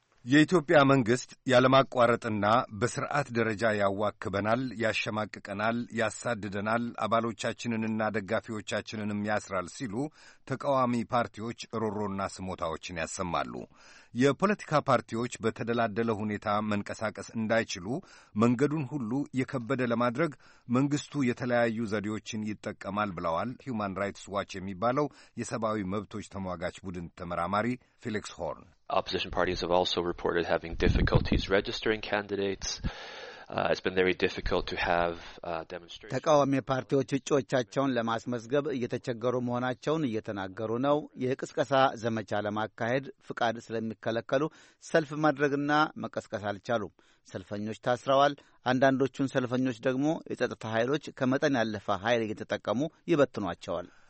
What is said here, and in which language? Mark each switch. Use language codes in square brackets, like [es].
[am] የኢትዮጵያ መንግሥት ያለማቋረጥና በስርዓት ደረጃ ያዋክበናል፣ ያሸማቅቀናል፣ ያሳድደናል፣ አባሎቻችንንና ደጋፊዎቻችንንም ያስራል ሲሉ ተቃዋሚ ፓርቲዎች ሮሮና ስሞታዎችን ያሰማሉ። የፖለቲካ ፓርቲዎች በተደላደለ ሁኔታ መንቀሳቀስ እንዳይችሉ መንገዱን ሁሉ የከበደ ለማድረግ መንግስቱ የተለያዩ ዘዴዎችን ይጠቀማል ብለዋል ሂዩማን ራይትስ ዋች የሚባለው የሰብአዊ መብቶች ተሟጋች ቡድን ተመራማሪ ፊሊክስ ሆርን። [en] Opposition parties have also reported having difficulties registering candidates. It's been very difficult to have demonstrations. [am] ተቃዋሚ ፓርቲዎች እጩዎቻቸውን ለማስመዝገብ እየተቸገሩ መሆናቸውን እየተናገሩ ነው። የቅስቀሳ ዘመቻ ለማካሄድ ፍቃድ ስለሚከለከሉ ሰልፍ ማድረግና መቀስቀስ አልቻሉም። ሰልፈኞች ታስረዋል። አንዳንዶቹን ሰልፈኞች ደግሞ የጸጥታ ኃይሎች ከመጠን ያለፈ ኃይል እየተጠቀሙ ይበትኗቸዋል።